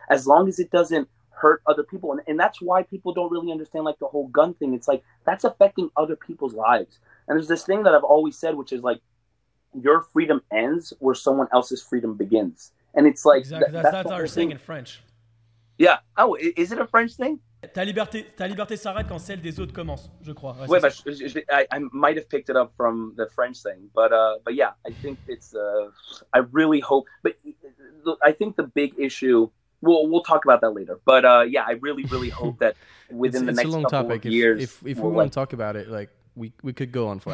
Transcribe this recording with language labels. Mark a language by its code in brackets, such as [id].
[en] As long as it doesn't hurt other people. And that's why people don't really understand like the whole gun thing. It's like, that's affecting other people's lives. And there's this thing that I've always said, which is like, your freedom ends where someone else's freedom begins. And it's like, exactly. That's our saying in French. Yeah. Oh, is it a French thing? [fr] Ta liberté s'arrête quand celle des autres commence, je crois. [en] Ouais, wait, I might have picked it up from the French thing. But yeah, I think it's, I really hope, but I think the big issue, we'll talk about that later. But yeah, I really, really hope that within it's the next a long couple topic. Of years. If we want to talk about it, like, We could go on for